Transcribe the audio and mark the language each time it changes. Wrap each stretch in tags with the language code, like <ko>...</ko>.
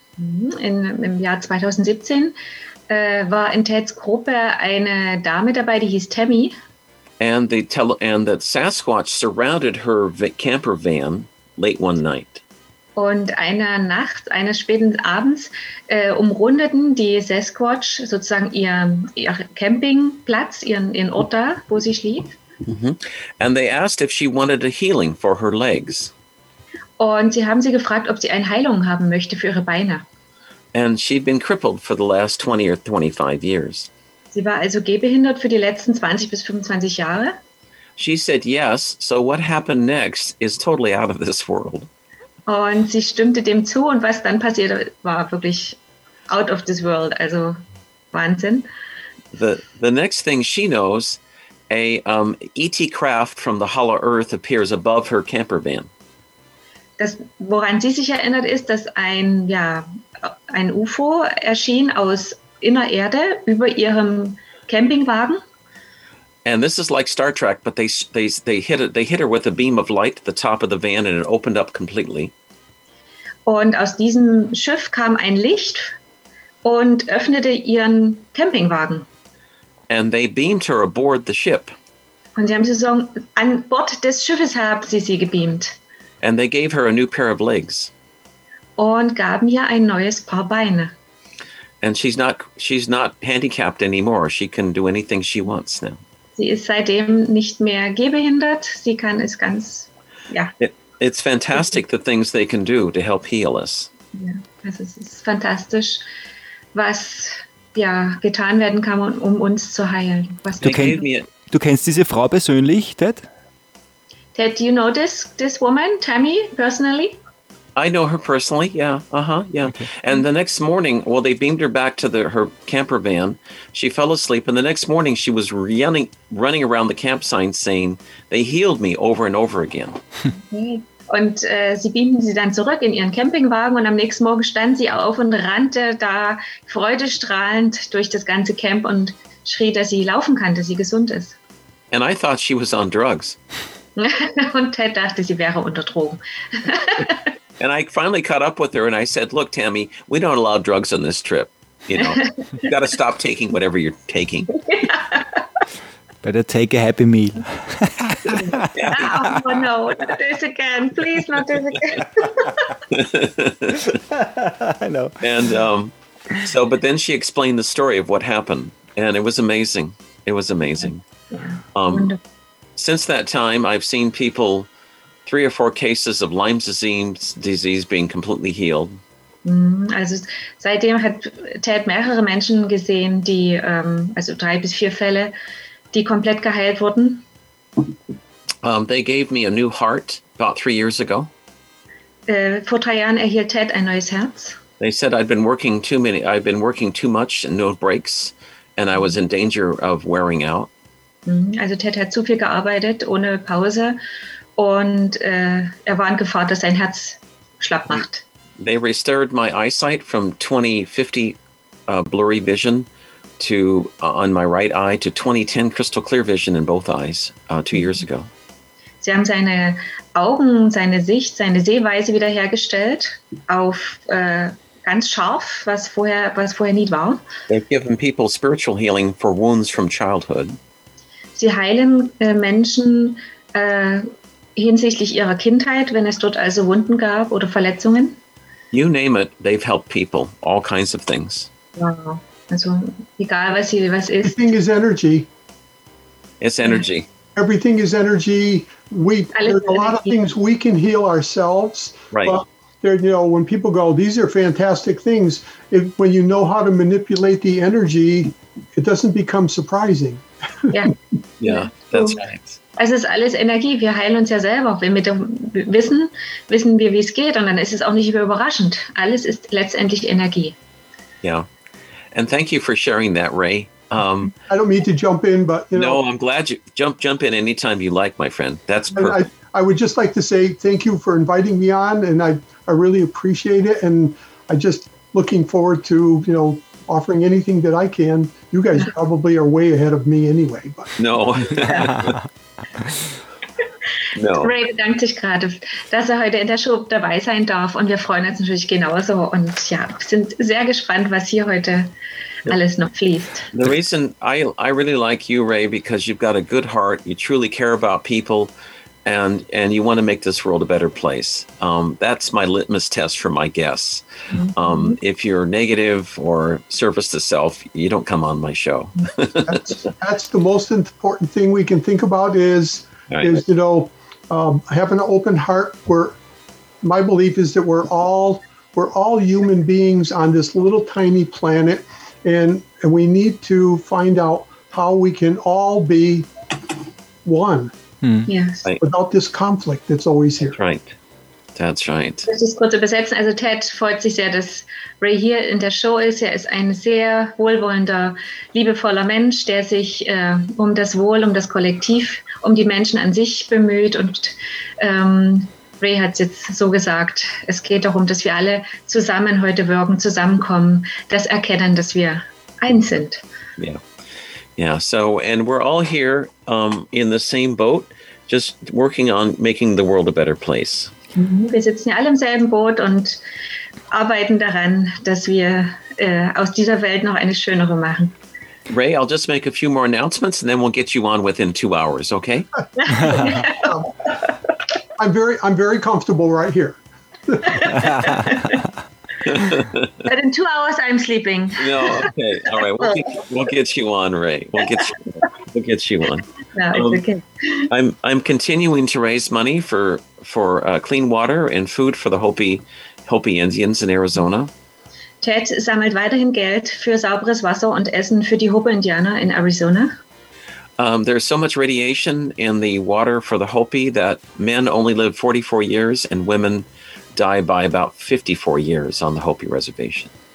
<de>Im Jahr 2017 war in Teds Gruppe eine Dame dabei, die hieß Tammy.</de> <en>And the Sasquatch surrounded her camper van late one night.</en> <de>Und einer Nacht, eines späten Abends, umrundeten die Sasquatch sozusagen ihr Campingplatz, ihren Ort da, wo sie schlief. Mm-hmm.</de> <en>And they asked if she wanted a healing for her legs.</en> <de>Und sie haben sie gefragt, ob sie eine Heilung haben möchte für ihre Beine.</de> <en>And she'd been crippled for the last 20 or 25 years.</en> <de>Sie war also gehbehindert für die letzten 20 bis 25 Jahre.</de> <en>She said yes, so what happened next is totally out of this world.</en> <de>Und sie stimmte dem zu und was dann passierte, war wirklich</de> <en>out of this world,</en> <de>also Wahnsinn.</de> <en>The next thing she knows, a ET craft from the Hollow Earth appears above her camper van.</en> <de>Das, woran sie sich erinnert ist, dass ein UFO erschien aus Innererde über ihrem Campingwagen.</de> <en>And this is like Star Trek, but they hit her with a beam of light at the top of the van and it opened up completely.</en> <de>Und aus diesem Schiff kam ein Licht und öffnete ihren Campingwagen.</de> <en>And they beamed her aboard the ship.</en> <de>Und sie haben gesagt, an Bord des Schiffes haben sie sie gebeamt.</de> <en>And they gave her a new pair of legs.</en> <de>Und gaben ihr ein neues Paar Beine.</de> <en>And she's not handicapped anymore. She can do anything she wants now.</en> <de>Sie ist seitdem nicht mehr gehbehindert. Sie kann es ganz, ja.</de> <en>It's fantastic the things they can do to help heal us.</en> <de>Ja, es ist fantastisch, was ja getan werden kann, um uns zu heilen. Was du kennst diese Frau persönlich, Ted?</de> <en>Ted, do you know this woman, Tammy, personally? I know her personally, yeah. Uh-huh, yeah. Okay. And the next morning, well, they beamed her back to her camper van. She fell asleep, and the next morning she was running around the camp sign saying, they healed me over and over again. Okay.</en> <de>Und sie beamten sie dann zurück in ihren Campingwagen, und am nächsten Morgen stand sie auf und rannte da freudestrahlend durch das ganze Camp und schrie, dass sie laufen kann, dass sie gesund ist.</de> <en>And I thought she was on drugs.</en> <de>Und Ted dachte, sie wäre unter Drogen.</de> <en>And I finally caught up with her and I said, look, Tammy, we don't allow drugs on this trip. You know, you got to stop taking whatever you're taking. Better take a happy meal. Oh, no, not this again. Please, not this again. I know. And but then she explained the story of what happened. And it was amazing. It was amazing. Since that time, I've seen people... 3 or 4 cases of Lyme disease being completely healed.</en> <de>Also seitdem hat Ted mehrere Menschen gesehen, die, also 3 bis 4 Fälle, die komplett geheilt wurden.</de> <en>They gave me a new heart about 3 years ago.</en> <de>Vor 3 Jahren erhielt Ted ein neues Herz.</de> <en>They said I'd been working too much and no breaks, and I was in danger of wearing out.</en> <de>Also Ted hat zu viel gearbeitet, ohne Pause. Und war in Gefahr, dass sein Herz schlapp macht.</de> <en>They restored my eyesight from 20/50 blurry vision to on my right eye to 20/10 crystal clear vision in both eyes 2 years ago.</en> <de>Sie haben seine Augen, seine Sicht, seine Sehweise wiederhergestellt auf ganz scharf, was vorher nicht war.</de> <en>They've given people spiritual healing for wounds from childhood.</en> <de>Sie heilen Menschen hinsichtlich ihrer Kindheit, wenn es dort also Wunden gab oder Verletzungen.</de> <en>You name it, they've helped people, all kinds of things. Wow.</en> <de>Also egal, was sie was ist.</de> <en>Everything is energy. It's energy. Everything is energy. There's a lot of things we can heal ourselves. Right. But there, you know, when people go, these are fantastic things. When you know how to manipulate the energy, it doesn't become surprising. Yeah. Yeah, that's right.</en> <de>Es ist alles Energie. Wir heilen uns ja selber. Wenn wir wissen wir, wie es geht. Und dann ist es auch nicht überraschend. Alles ist letztendlich Energie. Ja. Yeah.</de> <en>And thank you for sharing that, Ray. I don't mean to jump in, but you know. No, I'm glad you jump in anytime you like, my friend. That's perfect. I would just like to say thank you for inviting me on, and I really appreciate it. And I just looking forward to, you know, offering anything that I can. You guys probably are way ahead of me anyway. But. No. No.</en> <de>Ray bedankt sich gerade, dass er heute in der Show dabei sein darf, und wir freuen uns natürlich genauso und ja, sind sehr gespannt, was hier heute alles noch fließt.</de> <en>The reason I really like you, Ray, because you've got a good heart, you truly care about people, and you want to make this world a better place. That's my litmus test for my guests. If you're negative or service to self, you don't come on my show. that's the most important thing we can think about is you know, having an open heart. Where my belief is that we're all human beings on this little tiny planet, and we need to find out how we can all be one. Yes. Right. Without this conflict that's always here. That's right. That's right.</en> <de>Das ist kurz übersetzen. Also Ted freut sich sehr, dass Ray hier in der Show ist. Er ist ein sehr wohlwollender, liebevoller Mensch, der sich um das Wohl, um das Kollektiv, um die Menschen an sich bemüht. Und Ray hat es jetzt so gesagt, es geht darum, dass wir alle zusammen heute wirken, zusammenkommen, das erkennen, dass wir eins sind. Ja.</de> <en>Yeah, so, and we're all here in the same boat, just working on making the world a better place.</en> <de>Wir sitzen ja alle im selben Boot und arbeiten daran, dass wir aus dieser Welt noch eine schönere machen.</de> <en>Ray, I'll just make a few more announcements and then we'll get you on within 2 hours, okay? I'm very comfortable right here. But in 2 hours, I'm sleeping. No, okay. All right. We'll get you on, Ray. We'll get you on. No, it's okay. I'm continuing to raise money for clean water and food for the Hopi Indians in Arizona.</en> <de>Ted sammelt weiterhin Geld für sauberes Wasser und Essen für die Hopi Indianer in Arizona.</de> <en>There's so much radiation in the water for the Hopi that men only live 44 years and women die by about 54 years on the Hopi Reservation.</en>